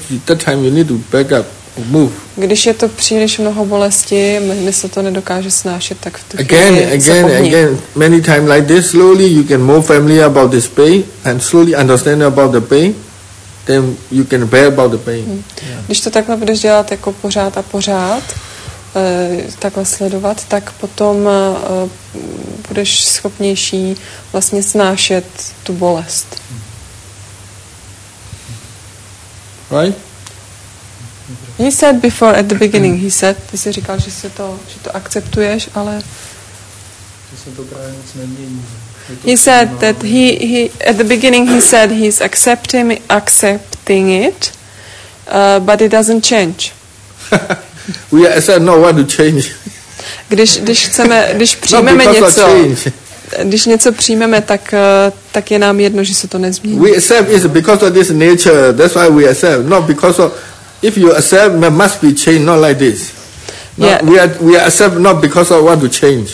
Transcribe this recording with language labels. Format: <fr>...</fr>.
<en>That time you need to back up. Move.</en> <cs>Když je to příliš mnoho bolesti, mysl to nedokáže snášet, tak v tu</cs> <en>again,</en> <cs>chvíli</cs> <en>again,</en> <cs>zapomní.</cs> <en>Again, many times like this, slowly you can move family about this pain and slowly understand about the pain, then you can bear about the pain.</en> <cs>Když to takhle budeš dělat jako pořád a pořád, takhle sledovat, tak potom budeš schopnější vlastně snášet tu bolest.</cs> <en>Right? He said before at the beginning, he said,</en> <cs>ty jsi říkal, že se to, že to akceptuješ, ale že se to právě nic nemění.</cs> <en>He said that he at the beginning he said he's accepting it, but it doesn't change. We are, I said no, why to change?</en> <cs>Když chceme, když přijmeme něco, když něco přijmeme, tak je nám jedno, že se to nezmění.</cs> <en>We accept is because of this nature. That's why we accept, not because of if you accept, it must be changed, not like this. We accept not because of what to change.</en>